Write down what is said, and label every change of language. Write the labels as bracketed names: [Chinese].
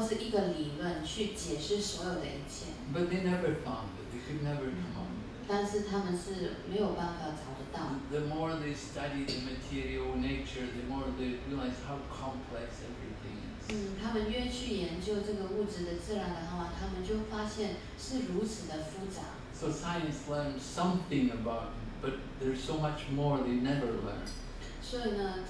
[Chinese] 但是他们很渴望能够得到一个方程式或是一个理论去解释所有的一切。But [English] they never found it. They could never come up. [Chinese] 但是他们是没有办法找得到。The [English] more they study the material nature, the more they realize how complex everything is. [Chinese] 他们越去研究这个物质的自然的话，他们就发现是如此的复杂。So [English] science learns something about it, but there's so much more they never learn.